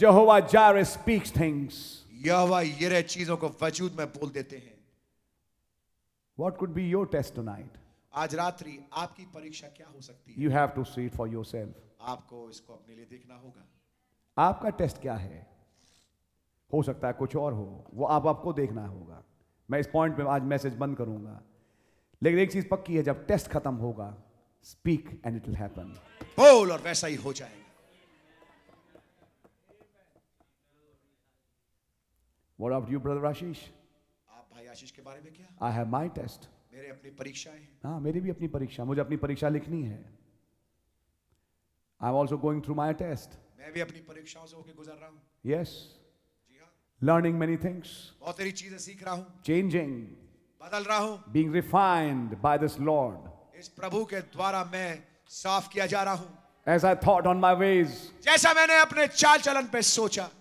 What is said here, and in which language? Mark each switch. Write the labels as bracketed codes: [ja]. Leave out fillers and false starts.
[en] Jehovah Jireh speaks things. [hi] यहोवा यिरे चीजों को वजूद में बोल देते हैं. [en] What could be your test tonight? [hi] आज रात्रि आपकी परीक्षा क्या हो सकती है? [en] You have to see it for yourself. [hi] आपको इसको अपने लिए देखना होगा. आपका टेस्ट क्या है? हो सकता है कुछ और हो. वो आपको देखना होगा. मैं इस पॉइंट पे आज मैसेज बंद करूंगा. लेकिन एक चीज पक्की है, जब टेस्ट खत्म होगा, [en] Speak and it will happen. [hi] बोल और वैसा ही हो जाएगा. [en] What about you brother Ashish? [hi] आप भाई आशीष के बारे में क्या? [en] I have my test. [hi] मेरे अपनी परीक्षाएं. हाँ, मेरी भी अपनी परीक्षा. मुझे अपनी परीक्षा लिखनी है. [en] I am also going through my test. [hi] मैं भी अपनी परीक्षाओं से होकर गुजर रहा हूँ. [en] Yes. Learning many things. [hi] बहुत सारी चीजें सीख रहा हूँ. [en] Changing. [hi] बदल रहा हूँ. [en] Being refined by this Lord. [hi] इस प्रभु के द्वारा मैं साफ किया जा रहा हूँ. [en] As I thought on my ways. [hi] जैसा मैंने अपने चाल चलन पे सोचा.